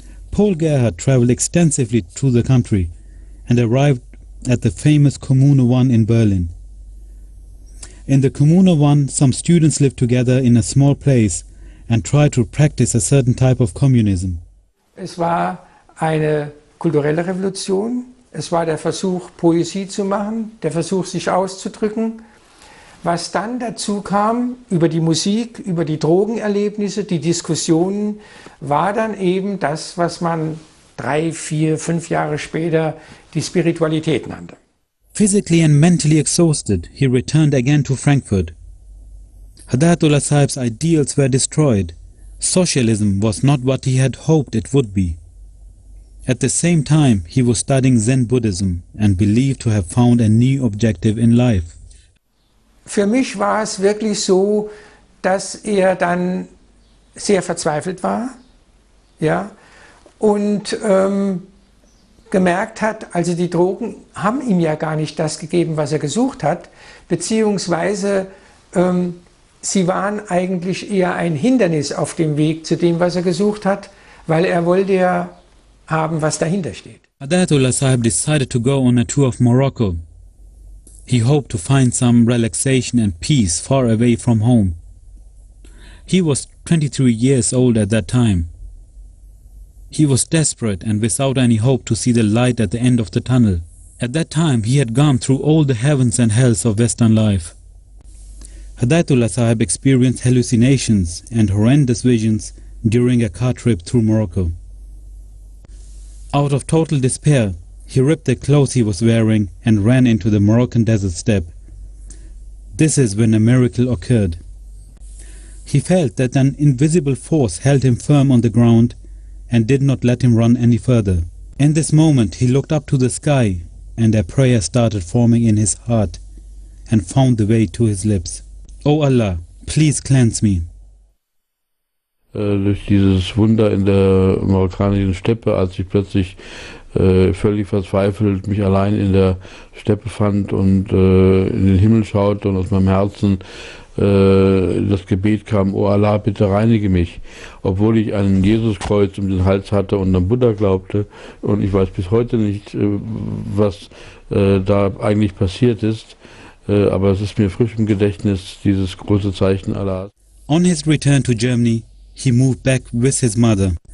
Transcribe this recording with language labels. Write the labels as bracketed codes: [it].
[en] Paul Gerhardt traveled extensively through the country and arrived at the famous Kommune 1 in Berlin. In the Kommune 1, some students lived together in a small place and tried to practice a certain type of communism. [de] Es war eine kulturelle Revolution. Es war der Versuch, Poesie zu machen, der Versuch, sich auszudrücken. Was dann dazu kam, über die Musik, über die Drogenerlebnisse, die Diskussionen, war dann eben das, was man 3, 4, 5 Jahre später die Spiritualität nannte. [en] Physically and mentally exhausted, he returned again to Frankfurt. Hadayatullah Sahib's ideals were destroyed. Socialism was not what he had hoped it would be. At the same time, he was studying Zen Buddhism and believed to have found a new objective in life. [de] Für mich war es wirklich so, dass dann sehr verzweifelt war, ja, und gemerkt hat, also die Drogen haben ihm ja gar nicht das gegeben, was gesucht hat, beziehungsweise sie waren eigentlich eher ein Hindernis auf dem Weg zu dem, was gesucht hat, weil wollte ja haben, was dahinter steht. [en] Hadayatullah Sahib decided to go on a tour of Morocco. He hoped to find some relaxation and peace far away from home. He was 23 years old at that time. He was desperate and without any hope to see the light at the end of the tunnel. At that time, he had gone through all the heavens and hells of Western life. Hadayatullah Sahib experienced hallucinations and horrendous visions during a car trip through Morocco. Out of total despair, he ripped the clothes he was wearing and ran into the Moroccan desert steppe. This is when a miracle occurred. He felt that an invisible force held him firm on the ground and did not let him run any further. In this moment, he looked up to the sky and a prayer started forming in his heart and found the way to his lips. O Allah, please cleanse me. [de] Durch dieses Wunder in der marokkanischen Steppe, als ich plötzlich völlig verzweifelt mich allein in der Steppe fand und in den Himmel schaute und aus meinem Herzen das Gebet kam, O Allah, bitte reinige mich. Obwohl ich ein Jesuskreuz um den Hals hatte und an Buddha glaubte und ich weiß bis heute nicht, was da eigentlich passiert ist, aber es ist mir frisch im Gedächtnis, dieses große Zeichen Allahs. [en] On his return to Germany, he moved back with his mother.